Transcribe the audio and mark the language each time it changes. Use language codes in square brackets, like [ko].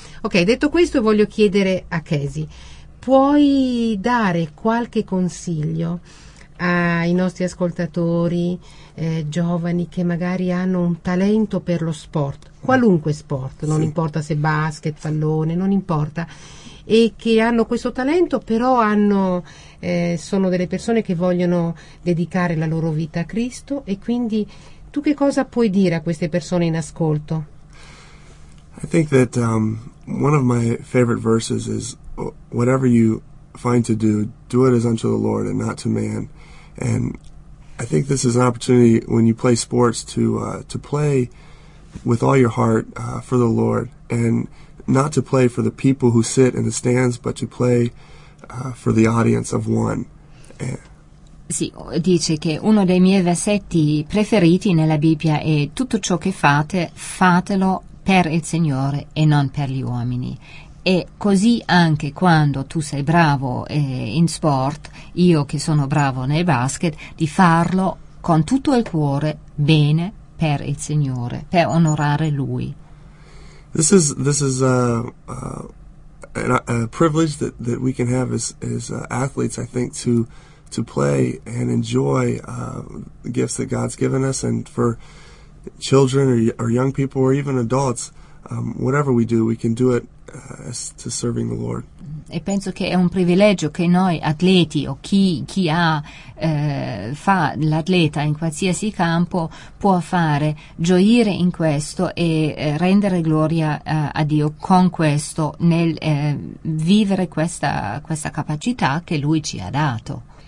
[it] Ok, detto questo, voglio chiedere a Casey: puoi dare qualche consiglio ai nostri ascoltatori giovani che magari hanno un talento per lo sport, qualunque sport, non sì. importa se basket, pallone, non importa, e che hanno questo talento, però hanno sono delle persone che vogliono dedicare la loro vita a Cristo, e quindi tu che cosa puoi dire a queste persone in ascolto? [en] I think that one of my favorite verses is whatever you find to do, do it as unto the Lord and not to man. And I think this is an opportunity when you play sports to play with all your heart for the Lord, and not to play for the people who sit in the stands, but to play for the audience of one. And [it] sì, dice che uno dei miei versetti preferiti nella Bibbia è: tutto ciò che fate, fatelo per il Signore e non per gli uomini. E così anche quando tu sei bravo in sport, io che sono bravo nel basket, di farlo con tutto il cuore, bene, per il Signore, per onorare Lui. [en] This is a privilege that we can have as athletes, I think, to play and enjoy the gifts that God's given us, and for children or young people or even adults, whatever we do, we can do it to serving the Lord. [it] e penso che è un privilegio che noi atleti o chi ha fa l'atleta in qualsiasi campo può fare, gioire in questo e rendere gloria a Dio con questo, nel vivere questa capacità che Lui ci ha dato.